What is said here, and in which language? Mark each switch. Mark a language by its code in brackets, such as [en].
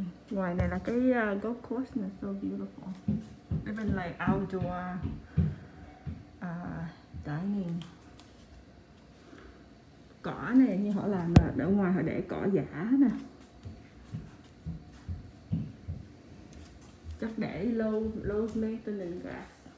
[vi] Ngoài này là cái golf course này, [en] so beautiful. Even like outdoor dining. [vi] Cỏ này như họ làm là ở ngoài họ để cỏ giả nè. Chắc để [en] low maintenance grass.